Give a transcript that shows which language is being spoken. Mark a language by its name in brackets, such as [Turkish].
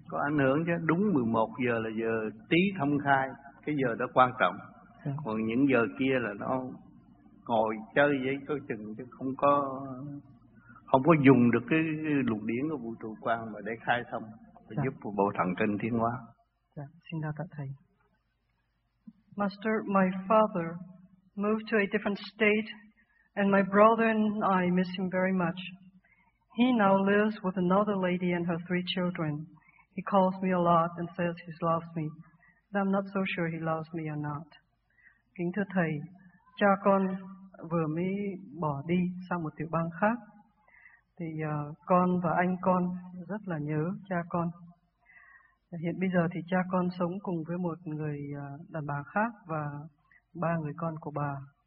[Vietnamese] Có ảnh hưởng chứ, đúng 11 giờ là giờ tí thông khai, cái giờ đó quan trọng. Dạ. Còn những giờ kia là nó ngồi chơi vậy có chừng chứ không có dùng được cái luồng điển của vũ trụ quan mà để khai thông và dạ, giúp bộ thần kinh thiên hóa. Dạ, xin đa tạ Thầy. [English] Master, my father moved to a different state and my brother and I miss him very much. He now lives with another lady and her 3 children. He calls me a lot and says he loves me, but I'm not so sure he loves me or not. [Vietnamese] Kính thưa Thầy, cha con vừa mới bỏ đi sang một tiểu bang khác. Thì con và anh con rất là nhớ cha con. Hiện bây giờ thì cha con sống cùng với một người đàn bà khác và 3 người con của bà.